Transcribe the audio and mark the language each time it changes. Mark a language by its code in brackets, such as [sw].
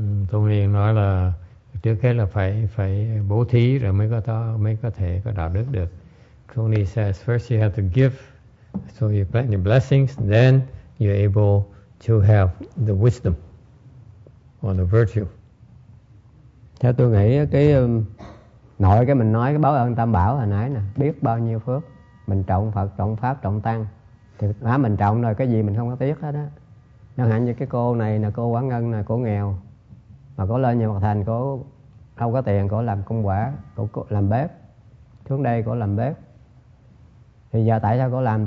[vi] Tôi liền nói là trước hết là phải bố thí rồi mới có thể có đạo đức được. [en] Tony says first you have to give, so you plant your blessings, then you're able to have the wisdom or the virtue. [vi] Theo tôi nghĩ cái nội cái mình nói cái báo ơn tam bảo hồi nãy nè, biết bao nhiêu phước mình trọng Phật, trọng pháp, trọng tăng, thì má mình trọng rồi cái gì mình không có tiếc hết á. Chẳng hạn như cái cô này nè, cô Quán Ngân nè, cô nghèo mà cô lên nhà Phật Thành, cô không có tiền, cô làm công quả, cô làm bếp, xuống đây cô làm bếp. Thì giờ tại sao cô làm?